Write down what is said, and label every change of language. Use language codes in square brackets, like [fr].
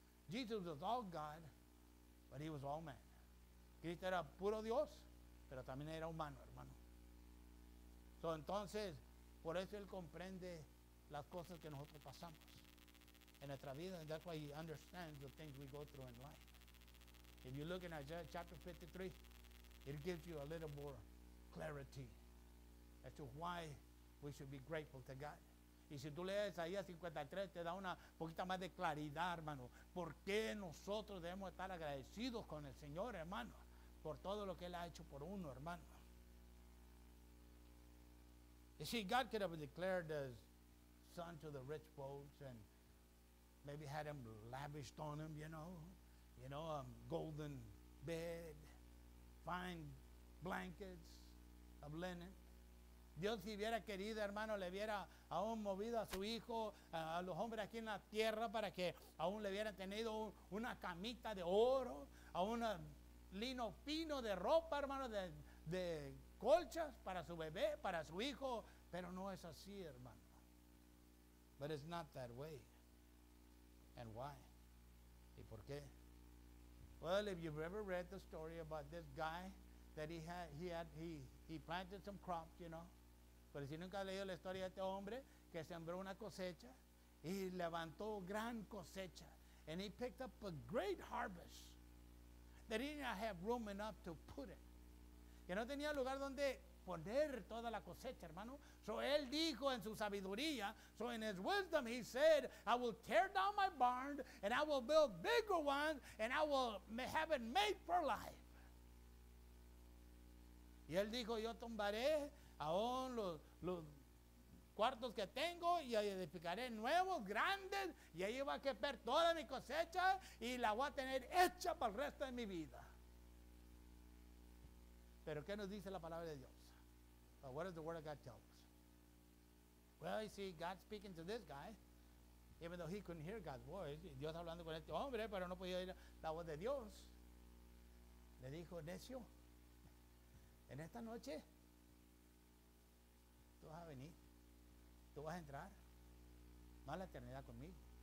[en] Jesus was all God, but he was all man. [es] Cristo era puro Dios, pero también era humano, hermano. So, entonces, por eso él comprende las cosas que nosotros pasamos en nuestra vida. [en] And that's why he understands the things we go through in life. If you look in Isaiah chapter 53, it gives you a little more clarity as to why we should be grateful to God. [es] Y si tú lees Isaías 53, te da una poquita más de claridad, hermano. ¿Por qué nosotros debemos estar agradecidos con el Señor, hermano? Por todo lo que él ha hecho por uno, hermano. [en] You see, God could have declared his son to the rich folks and maybe had him lavished on him, you know, a golden bed, fine blankets of linen. [es] Dios si hubiera querido, hermano, le hubiera aún movido a su hijo, a los hombres aquí en la tierra, para que aún le hubieran tenido una camita de oro, a una lino fino de ropa, hermano, de colchas para su bebé, para su hijo. Pero no es así, hermano. [en] But it's not that way. And why? [es] ¿Y por qué? [en] Well, if you've ever read the story about this guy that he planted some crops, you know. [es] Pero si nunca has leído la historia de este hombre que sembró una cosecha y levantó gran cosecha. [en] And he picked up a great harvest that he did not have room enough to put it. [es] Que no tenía lugar donde poner toda la cosecha, hermano. [en] So [es] él dijo en su sabiduría, [en] so in his wisdom he said, I will tear down my barn and I will build bigger ones and I will have it made for life. [es] Y él dijo, yo tumbaré aún los cuartos que tengo y edificaré nuevos, grandes, y ahí va a quepar toda mi cosecha y la voy a tener hecha para el resto de mi vida. Pero ¿qué nos dice la palabra de Dios? [en] But what does the word of God tell us? Well, you see, God speaking to this guy, even though he couldn't hear God's voice, [es] Dios hablando con este hombre, pero no podía oír la voz de Dios, le dijo, necio, en esta noche, tú vas a venir, tú vas a entrar, no a la eternidad conmigo.